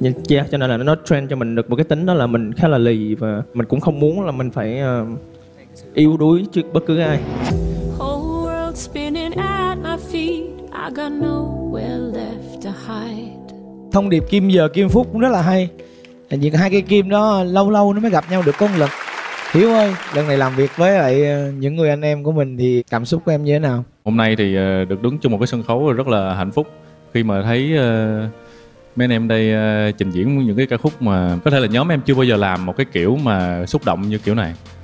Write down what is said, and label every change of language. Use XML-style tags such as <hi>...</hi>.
<vi>Yeah, cho nên là nó trend cho mình được một cái tính đó là mình khá là lì và mình cũng không muốn là mình phải yếu đuối trước bất cứ ai.</vi> <en>Whole world spinning at my feet, I got nowhere left to hide.</en> <vi>Thông điệp kim giờ kim phút cũng rất là hay. Những hai cái kim đó lâu lâu nó mới gặp nhau được có một lần. Hiếu ơi, lần này làm việc với lại những người anh em của mình thì cảm xúc của em như thế nào? Hôm nay thì được đứng chung một cái sân khấu rất là hạnh phúc khi mà thấy mấy anh em đây trình diễn những cái ca khúc mà có thể là nhóm em chưa bao giờ làm một cái kiểu mà xúc động như kiểu này.</vi>